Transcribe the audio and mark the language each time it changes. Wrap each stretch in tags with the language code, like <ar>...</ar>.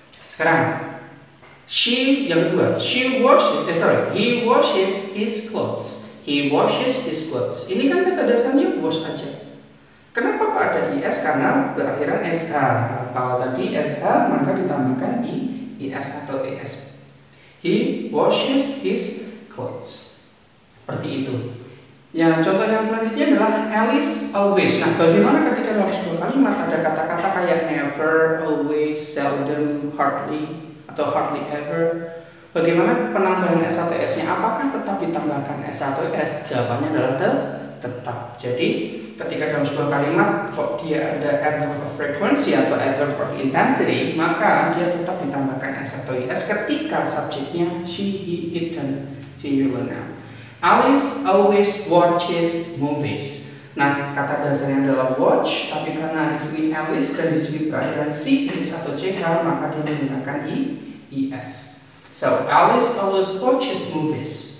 <id>Sekarang,</id> <en>she,</en> <id>yang kedua,</id> <en>he washes his clothes. He washes his clothes.</en> <id>Ini kan kata dasarnya wash aja. Kenapa kok ada IES? Karena berakhiran SH. Kalau tadi SH, maka ditambahkan I, ES atau ES.</id> <en>He washes his clothes.</en> <id>Seperti itu. Ya, contoh yang selanjutnya adalah Alice always. Nah, bagaimana ketika dalam sebuah kalimat ada kata-kata kayak never, always, seldom, hardly, atau hardly ever? Bagaimana penambahan S1S-nya? Apakah tetap ditambahkan S1S? Jawabannya adalah tetap. Jadi, ketika dalam sebuah kalimat kok dia ada adverb of frequency atau adverb of intensity, maka dia tetap ditambahkan S1S ketika subjeknya she, he, it, dan singular noun.</id> <en>Alice always watches movies.</en> <id>Nah, kata dasarnya adalah watch, tapi karena di sini Alice dan di sini keadaan C, H, atau CK, maka dia menggunakan I, ES.</id> <en>So, Alice always watches movies.</en>